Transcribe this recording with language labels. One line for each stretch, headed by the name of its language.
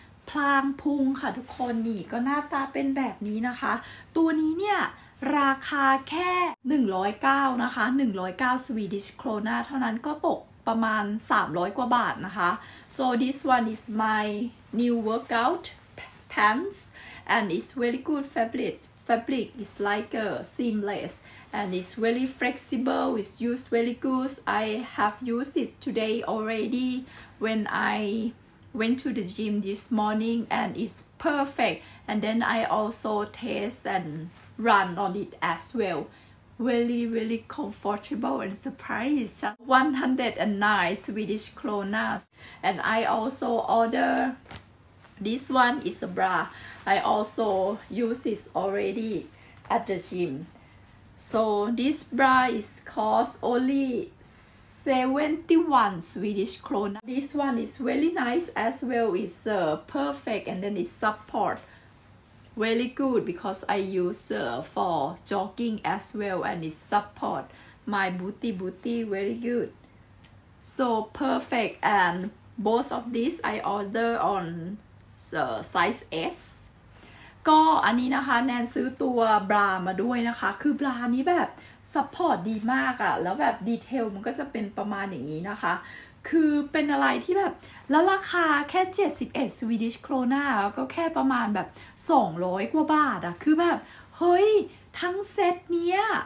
Thai: พรางพุงค่ะทุกคนนี่ก็หน้าตาเป็นแบบนี้นะคะตัวนี้เนี่ยราคาแค่109นะคะ109สวีดิชโครนาเท่านั้นก็ตกประมาณ300กว่าบาทนะคะ
English: so this one is myNew workout pants and it's really good fabric. Fabric is like a seamless and it's really flexible. It's used really good. I have used it today already when I went to the gym this morning and it's perfect. And then I also test and run on it as well. Really, really comfortable and the price is 109 Swedish kronas. And I also order. This one is a bra. I also use it already at the gym. So this bra is cost only 71 Swedish krona. This one is really nice as well. It's perfect and then it support really good because I use for jogging as well and it support my booty very good. So perfect and both of these I order on. size S
Thai: ก็อันนี้นะคะแนนซื้อตัวบรามาด้วยนะคะคือบรานี้แบบซัพพอร์ตดีมากอะแล้วแบบดีเทลมันก็จะเป็นประมาณอย่างนี้นะคะคือเป็นอะไรที่แบบแล้วราคาแค่71 Swedish krona ก็แค่ประมาณแบบ200กว่าบาทอะคือแบบเฮ้ยทั้งเซตเนี้ย